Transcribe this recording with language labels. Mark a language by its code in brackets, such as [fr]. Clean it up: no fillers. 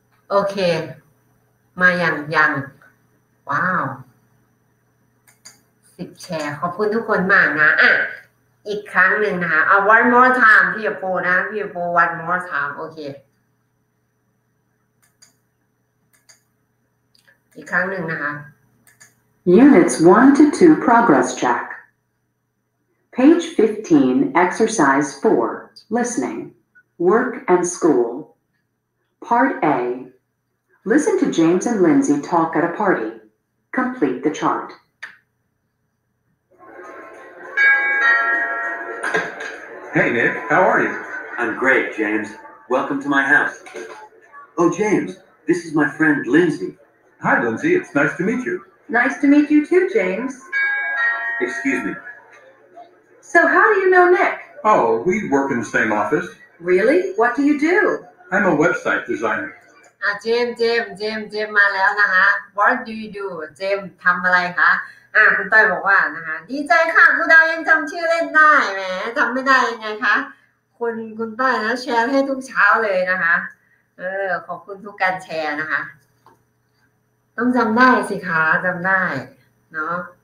[th] โอเคมาอย่างว้าว10แชร์ขอบคุณทุกคนมากนะอ่ะอีกครั้งหนึ่งนะคะ [en] one more time [th] พี่โปนะพี่โป one more time โอเคอีกครั้งหนึ่งนะคะ [en] Units 1 to 2 progress check Page 15 exercise 4 listening work and school Part A Listen to James and Lindsay talk at a party Complete the chart Hey Nick how are you I'm great James welcome to my house Oh James this is my friend Lindsay Hi, Lindsay. It's nice to meet you. Nice to meet you too, James. Excuse me. So how do you know Nick? Oh, we work in the same office. Really? What do you do? I'm a website designer. [th] Jim มาแล้วนะคะ [en] What do you do? [th] Jim ทำอะไรคะคุณต้อยบอกว่านะคะดีใจค่ะคุณดาวยังจำชื่อเล่นได้แหมจำไม่ได้ยังไงคะคุณต้อยนะแชร์ให้ทุกเช้าเลยนะคะขอบคุณทุกการแชร์นะคะต้องจำได้สิคะจำได้เนาะ